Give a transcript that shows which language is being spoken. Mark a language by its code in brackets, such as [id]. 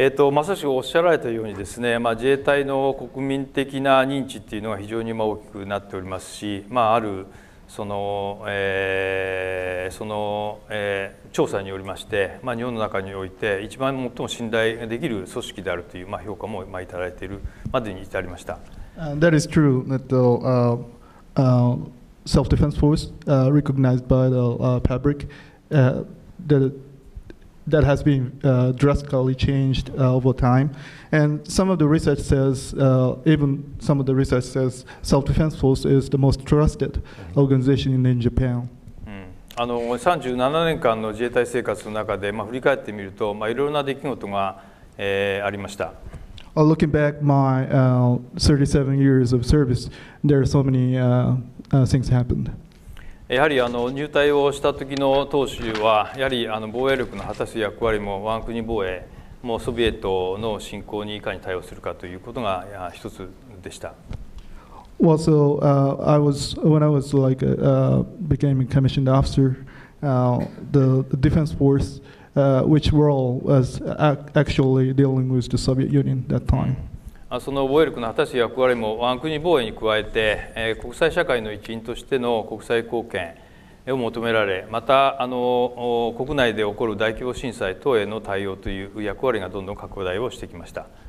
[ja] まさしくおっしゃられたようにですね、自衛隊の国民的な認知っていうのが非常に大きくなっておりますし、あるその、その、調査によりまして、日本の中において一番最も信頼できる組織であるという、評価も、いただいているまでに至りました。 [en] That is true that the self-defense force recognized by the public that has been drastically changed over time. And some of the research says, even some of the research says, self-defense force is the most trusted organization in Japan. [ja] 37年間 の自衛隊生活の中で、まあ、振り返ってみると、まあ、いろいろな出来事が、ありました。 [en] Looking back my 37 years of service, there are so many things happened. [ja] やはり入隊をした時の当初は、やはり防衛力の果たす役割も、我が国防衛もソビエトの侵攻にいかに対応するかということが一つでした。 [en] Well, so I was, when I was like became a commissioned officer, the defense force, which role was actually dealing with the Soviet Union that time. [ja] その防衛力の果たす役割も我が国防衛に加えて、国際社会の一員としての国際貢献を求められ、また国内で起こる大規模震災等への対応という役割がどんどん拡大をしてきました。